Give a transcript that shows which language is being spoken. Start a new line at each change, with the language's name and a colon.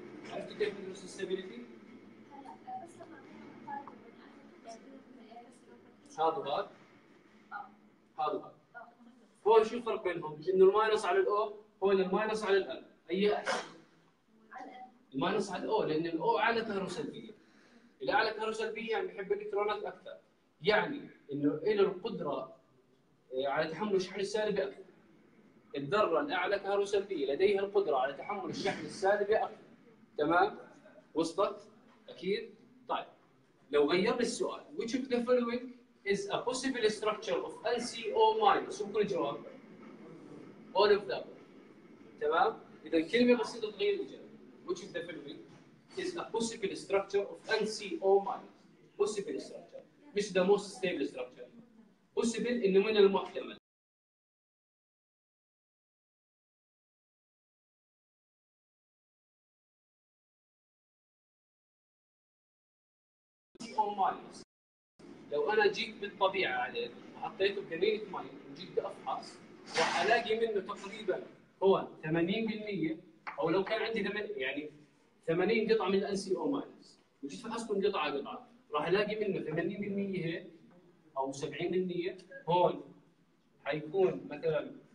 Arabic: عرفت كيف تدرس الستابيليتي؟ هذا بعد هذا بعد هو شو الفرق بينهم؟ انه الماينس على الاو هو الماينس على الان، اي احسن؟ الماينس على الاو لان الاو اعلى كهرباء سلبيه. الاعلى كهرباء سلبيه يعني بحب الالكترونات اكثر، يعني انه له القدره على تحمل الشحن السالبي اكثر. الذره الاعلى كهرباء سلبيه لديها القدره على تحمل الشحن السالبي اكثر. تمام؟ وصلت؟ اكيد؟ طيب لو غيرنا السؤال
English: which of the following is a possible structure of LCO minus.
Arabic: شو كل الجواب؟
English: all of them
Arabic: تمام؟ إذا كلمة بسيطة تغير الجذر.
English: Which is definitely is a possible structure of NCO minus. Possible structure. مش the most stable structure.
Arabic: Possible إنه من المحتمل. لو انا جيت بالطبيعه عليه وحطيته بكميه ماء وجيت افحص راح الاقي منه تقريبا هو 80% او لو كان عندي 80 يعني 80 قطعه من الان سي او ماينس وجيت فحصتهم قطعه قطعه راح الاقي منه 80% هيك او 70% هون حيكون مثلا